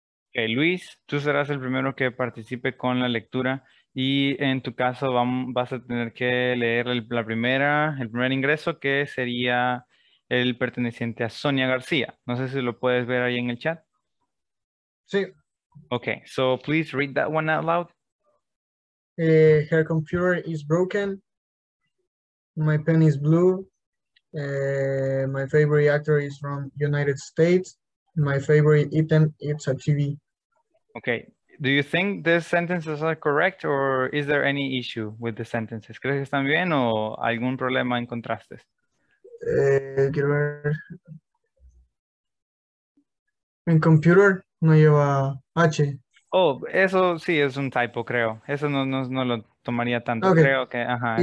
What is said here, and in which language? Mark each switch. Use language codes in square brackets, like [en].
[es] Okay, Luis, tú serás el primero que participe con la lectura y en tu caso vas a tener que leer el primer ingreso, que sería el perteneciente a Sonia García. No sé si lo puedes ver ahí en el chat. Sí. [en] Okay, so please read that one out loud. Her computer is broken. My pen is blue. My favorite actor is from United States. My favorite item is a TV. Okay, do you think the sentences are correct or is there any issue with the sentences? [es] ¿Crees que están bien o algún problema en contrastes? Quiero ver. En computer no lleva H. Oh, eso sí es un typo, creo. Eso no lo tomaría tanto, okay. Creo que, ajá.